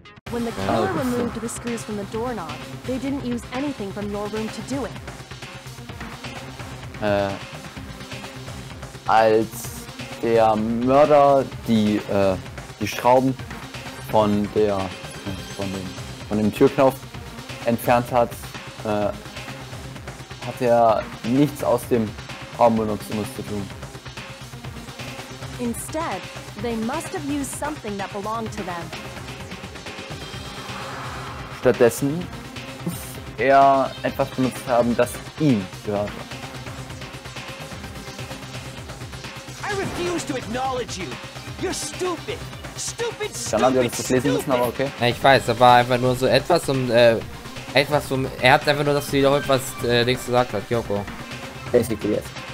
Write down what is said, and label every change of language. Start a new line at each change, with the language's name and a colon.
English: When the killer removed the screws from the doorknob, they didn't use anything from your room to do it.
German: Als der Mörder die Schrauben von dem Türknopf entfernt hat, hat er nichts aus dem Raum benutzt, um es zu tun.
English: Instead, they must have used something that belonged to them.
German: Stattdessen muss er etwas benutzt haben, das ihm gehört.
English: I refuse to acknowledge you. You're stupid. Stupid, stupid.
German: Dann haben wir das jetzt lesen müssen, aber okay. Ja, ich weiß, da war einfach nur so etwas, um etwas, um. Er hat einfach nur das wiederholt, was Dings gesagt hat, Kyoko.
English: Basically, yes.